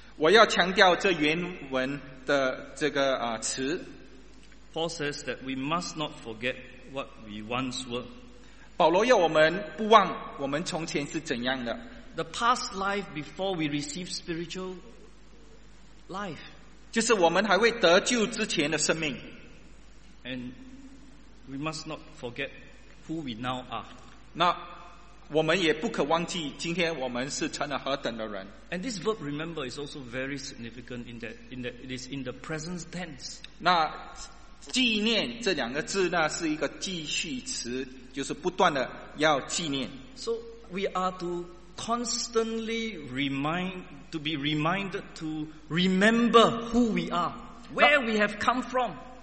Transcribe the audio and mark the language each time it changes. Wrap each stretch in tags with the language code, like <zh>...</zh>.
<zh>我要强调这原文的这个词。</zh> <en>Paul says that we must not forget what we once were.</en> <zh>保罗要我们不忘我们从前是怎样的。</zh> <en>The past life before we receive spiritual life.</en> <zh>就是我们还未得救之前的生命。</zh> <en>And we must not forget who we now are.</en> <zh>那 我们也不可忘记今天我们是成了何等的人。</zh> <en>And this verb remember is also very significant in that it is in the present tense.</en> <zh>那纪念这两个字呢，是一个继续词，就是不断的要纪念。</zh> <en>So we are to constantly be reminded to remember who we are, where we have come from.</en>